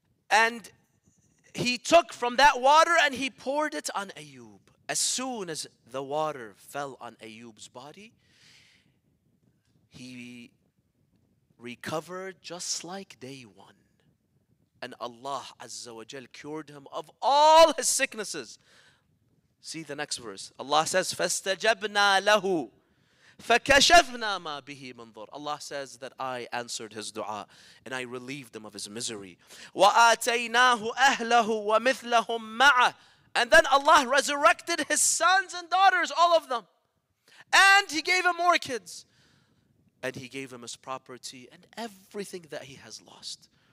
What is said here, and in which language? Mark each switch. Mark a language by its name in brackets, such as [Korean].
[English] And he took from that water and he poured it on Ayyub. As soon as the water fell on Ayyub's body, he recovered just like day one. And Allah Azza wa Jal cured him of all his sicknesses. See the next verse. Allah says, [Arabic] فَاسْتَجَبْنَا لَهُ فَكَشَفْنَا مَا بِهِ مَنْظُرْ. [English] Allah says that I answered his dua and I relieved him of his misery. [Arabic] وَآتَيْنَاهُ أَهْلَهُ وَمِثْلَهُمْ مَعَهُ. [English] And then Allah resurrected his sons and daughters, all of them. And he gave him more kids. And he gave him his property and everything that he has lost.